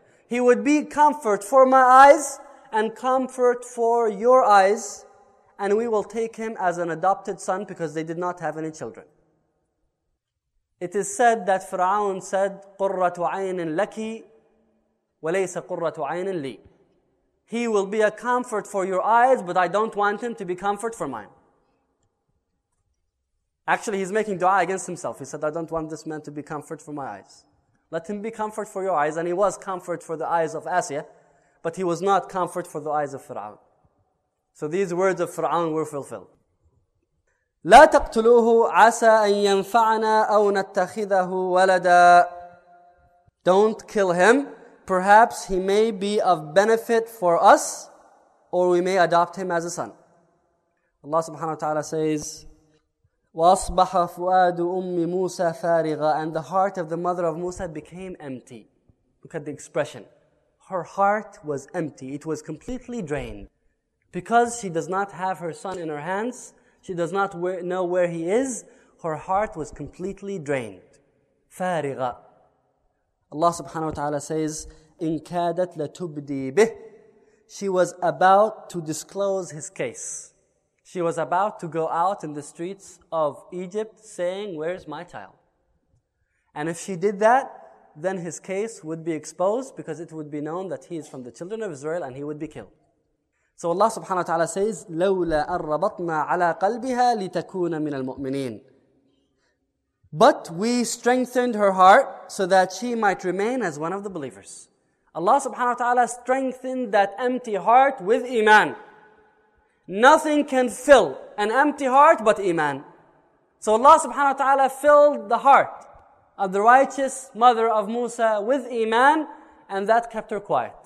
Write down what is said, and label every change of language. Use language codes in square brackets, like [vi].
[en] He would be comfort for my eyes and comfort for your eyes, and we will take him as an adopted son because they did not have any children. It is said that Fir'aun said, [ar] قُرَّةُ عَيْنٍ لَكِ وَلَيْسَ قُرَّةُ عَيْنٍ لِي. [en] He will be a comfort for your eyes, but I don't want him to be comfort for mine. Actually, he's making dua against himself. He said, I don't want this man to be comfort for my eyes. Let him be comfort for your eyes. And he was comfort for the eyes of Asiya, but he was not comfort for the eyes of Fir'aun. So these words of Fir'aun were fulfilled. [ar] لا تقتلوه عسى أن ينفعنا أو نتخذه ولدا. [en] Don't kill him. Perhaps he may be of benefit for us, or we may adopt him as a son. Allah subhanahu wa ta'ala says, [ar] وَأَصْبَحَ فُؤَادُ أُمِّ مُوسَى فَارِغًا. [en] And the heart of the mother of Musa became empty. Look at the expression. Her heart was empty. It was completely drained. Because she does not have her son in her hands, she does not know where he is, her heart was completely drained. [ar] فَارِغًا. [en] Allah subhanahu wa ta'ala says, [ar] إِنْ كَادَتْ لَتُبْدِي بِهِ. [en] She was about to disclose his case. She was about to go out in the streets of Egypt saying, where's my child? And if she did that, then his case would be exposed because it would be known that he is from the children of Israel and he would be killed. So Allah subhanahu wa ta'ala says, [ar] لَوْلَا أَرَّبَطْنَا عَلَىٰ قَلْبِهَا لِتَكُونَ مِنَ الْمُؤْمِنِينَ. [en] But we strengthened her heart so that she might remain as one of the believers. Allah subhanahu wa ta'ala strengthened that empty heart with iman. Nothing can fill an empty heart but iman. So Allah subhanahu wa ta'ala filled the heart of the righteous mother of Musa with iman, and that kept her quiet.